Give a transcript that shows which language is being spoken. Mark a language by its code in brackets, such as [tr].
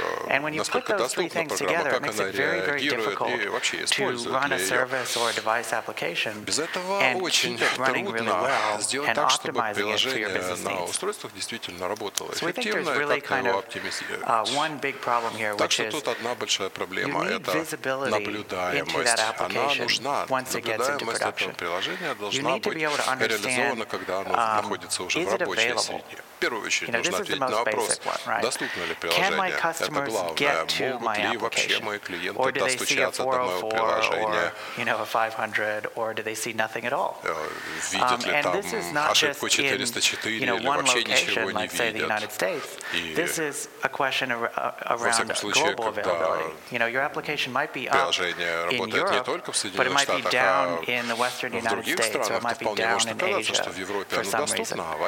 [en] And when you put those three things together, it makes it very, very difficult to run a service or a device application and keep it running really well and optimizing it for your business needs. So we think there's really kind of one big problem here, which is you need visibility into that application once it gets into production. You need to be able to understand, is it available? [ru] Нужно ответить на вопрос, доступно ли приложение, это главное, могут ли мои клиенты достучаться до моего приложения, видят ли там ошибку 404 или вообще ничего не видят. [en] This is a question around global availability. You know, your application might be up in Europe, but it might be down in the Western United States, or it might be down in Asia for some reason.